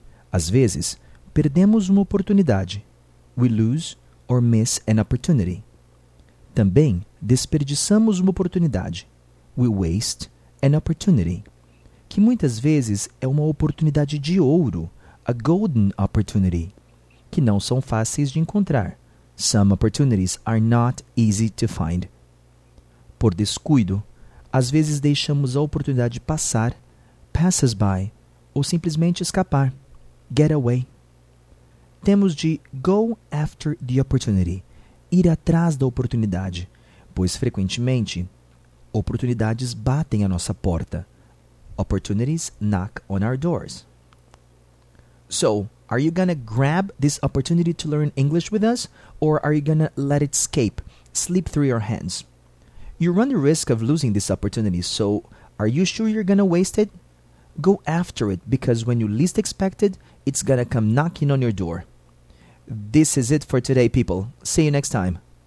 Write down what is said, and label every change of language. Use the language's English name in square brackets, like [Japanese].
[Portuguese] Às vezes, perdemos uma oportunidade, [English] we lose or miss an opportunity. [Portuguese] Também desperdiçamos uma oportunidade, [English] we waste an opportunity, [Portuguese] que muitas vezes é uma oportunidade de ouro, [English] a golden opportunity, [Portuguese] que não são fáceis de encontrar. [English] Some opportunities are not easy to find. [Portuguese] Por descuido, às vezes deixamos a oportunidade passar, [English] passes by, [Portuguese] ou simplesmente escapar, [English] get away. [Portuguese] Temos de [English] go after the opportunity, [Portuguese] ir atrás da oportunidade, pois frequentemente oportunidades batem à nossa porta. [English] Opportunities knock on our doors. So, are you gonna grab this opportunity to learn English with us, or are you gonna let it escape, slip through your hands? You run the risk of losing this opportunity, so are you sure you're gonna waste it? Go after it, because when you least expect it, it's gonna come knocking on your door. This is it for today, people. See you next time.